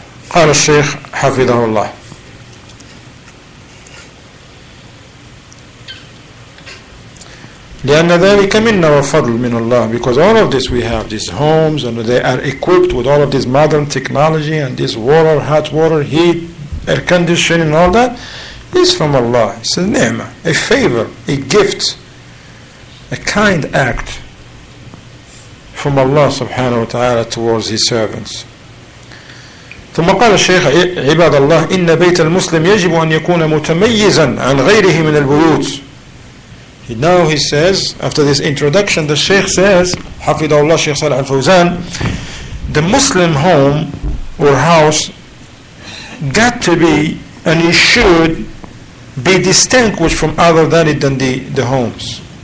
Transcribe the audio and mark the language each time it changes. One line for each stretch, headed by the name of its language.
Arabic: قال الشيخ حفظه الله لأن ذلك منا وفضل من الله,
English: because all of this we have these homes and they are equipped with all of this modern technology and this water, hot water, heat, air conditioning, all that is from Allah. It's a ni'mah, a favor, a gift, a kind act from Allah subhanahu wa ta'ala towards his servants.
Arabic: ثم قال الشيخ عباد الله إن بيت المسلم يجب أن يكون متميزا عن غيره من البيوت.
English: Now he says, after this introduction, the Shaykh says,
Arabic: حفظ الله الشيخ صالح الفوزان,
English: the Muslim home or house got to be and it should be distinguished from other than it than the homes.